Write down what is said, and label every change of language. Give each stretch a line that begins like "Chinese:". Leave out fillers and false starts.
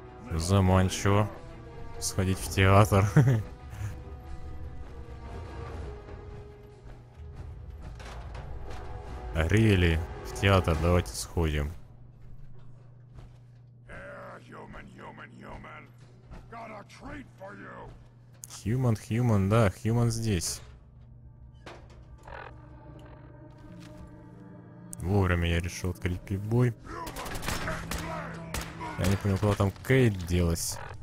Russian: Заманчиво сходить в театр. Рели, в театр давайте сходим.
English: Human. Got a treat for you.
Russian: Human, да, Human здесь. Вовремя я решил открыть прибой. Я не понял, куда там Кейт делась.